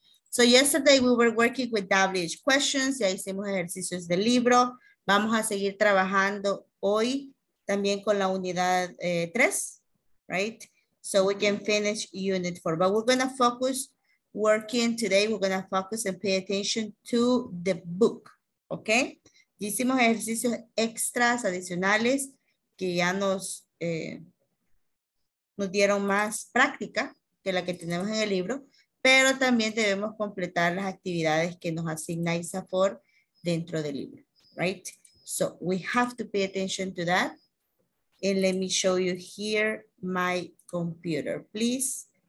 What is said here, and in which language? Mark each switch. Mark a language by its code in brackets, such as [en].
[en] So yesterday we were working with WH questions. [es] Ya hicimos ejercicios del libro. Vamos a seguir trabajando hoy también con la unidad 3, right? [en] So we can finish unit 4. But we're going to focus working today. We're going to focus and pay attention to the book, okay? [es] Ya hicimos ejercicios extras, adicionales, que ya nos... nos dieron más práctica que la que tenemos en el libro, pero también debemos completar las actividades que nos asigna INSAFORP dentro del libro, right? [en] So we have to pay attention to that. And let me show you here my computer, please.